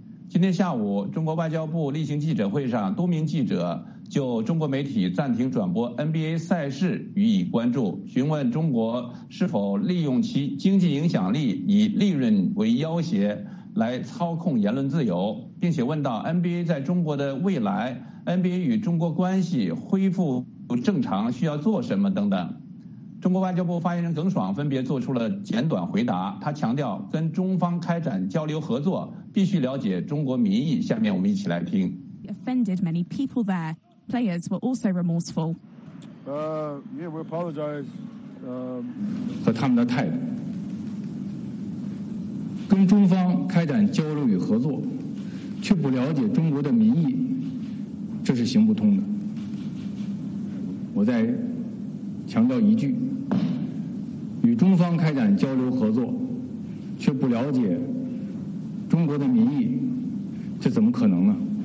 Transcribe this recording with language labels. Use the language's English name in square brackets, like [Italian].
[Chinese] 今天下午，中国外交部例行记者会上，多名记者就中国媒体暂停转播 NBA 赛事予以关注，询问中国是否利用其经济影响力以利润为要挟来操控言论自由，并且问到 NBA 在中国的未来， NBA 与中国关系恢复正常需要做什么等等。中国外交部发言人耿爽分别做出了简短回答，他强调跟中方开展交流合作必须了解中国民意。下面我们一起来听。 [English] Offended many people there. Players were also remorseful. Yeah, we apologize. [Chinese] 和他们的态度，跟中方开展交流与合作，却不了解中国的民意，这是行不通的。我再强调一句，与中方开展交流合作，却不了解中国的民意，这怎么可能呢？